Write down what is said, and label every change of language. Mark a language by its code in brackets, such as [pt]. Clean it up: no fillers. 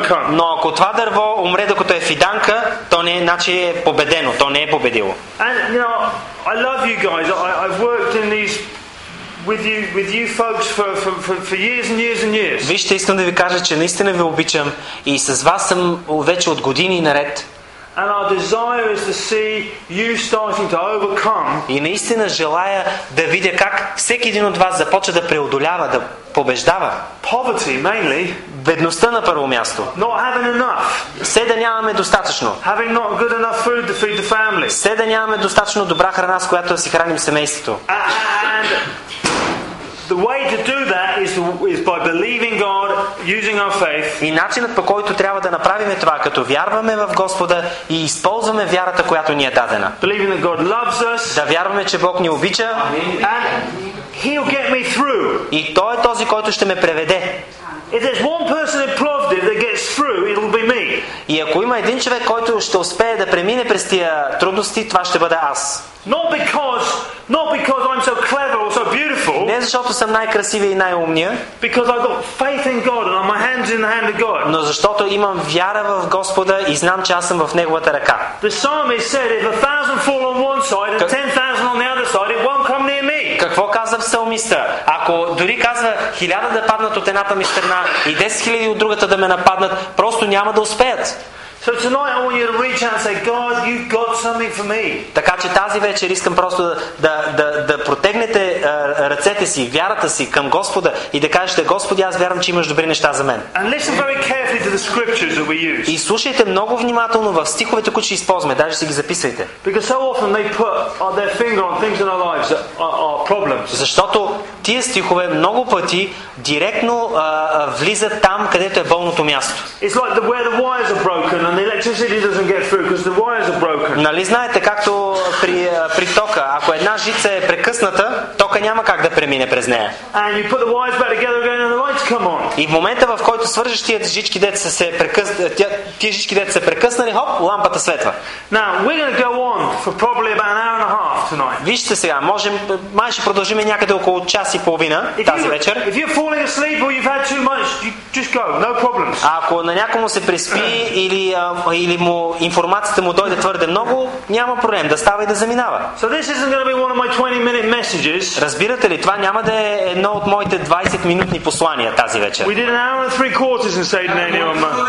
[bg] Но ако това дърво умре докато е фиданка, то не е, значи е победено, то не е победило. [en] And you know, I love you guys. I've worked in these with you folks for years and years and years. [bg] Вижте, искам да ви кажа, че наистина ви обичам и с вас съм вече от години наред. [en] And our desire is to see you starting to overcome. [bg] И наистина желая да видя как всеки един от вас започва да преодолява, да побеждава. [en] Poverty mainly. [bg] Бедността на първо място. [en] Not having enough. [bg] Все да нямаме достатъчно. [en] Having not good enough food to feed the family. [bg] Все да нямаме достатъчно добра храна, с която да си храним семейството. [en] And the way to do that is by believing God, using our faith. [bg] И начинът по който трябва да направим това, като вярваме в Господа и използваме вярата, която ни е дадена. [en] Believing that God loves us. [bg] Да вярваме, че Бог ни обича. [en] And He'll get me through. [bg] И той е този, който ще ме преведе. [en] If there's one person in Plovdiv that gets through, it'll be me. [bg] И ако има един човек, който ще успее да премине през тия трудности, това ще бъде аз. [en] Not because I'm so clever or so beautiful. [bg] Не защото съм най-красивия и най-умния. [en] Because I've got faith in God and my hands in the hand of God. [bg] Но защото имам вяра в Господа и знам, че аз съм в Неговата ръка. [en] The psalmist said, if 1,000 fall on one side and 10,000 on the other side, it won't come near me. [bg] Какво казва псалмиста? Ако дори казва 1,000 да паднат от едната ми страна и 10,000 от другата да ме нападнат, просто няма да успеят. [en] So tonight I want you to reach out and say, God, you've got something for me. [bg] Така че тази вечер искам просто да протегнете ръцете си, вярата си към Господа и да кажете, Господи, аз вярвам, че имаш добри неща за мен. [en] And listen very carefully to the scriptures that we use. [bg] И слушайте много внимателно в стиховете, които ще използваме, даже си ги записвайте. [en] Because so often they put their finger on things in our lives that are problems. [bg] Защото тия стихове много пъти директно влизат там, където е болното място. [en] It's like the where the wires are broken. And the electricity doesn't get through because the wires are broken. [bg] Нали знаете както при тока, ако една жица е прекъсната, тока няма как да премине през нея. [en] And you put the wires back together again and the lights come on. [bg] И в момента, в който свържеш тия жички, дето са прекъснали, хоп, лампата светва. [en] Now we're going to go on for probably about an hour and a half tonight. [bg] Вижте сега, можем май ще продължим някъде около час и половина тази вечер. [en] If you're falling asleep or you've had too much, just go, no problems. [bg] Ако на някому се приспи или му информацията му дойде твърде много, няма проблем, да става и да заминава. [en] So this isn't going to be one of my 20-minute messages. [bg] Разбирате ли, това няма да е едно от моите 20-минутни послания тази вечер. [en] We did an hour and three quarters in Saturday night.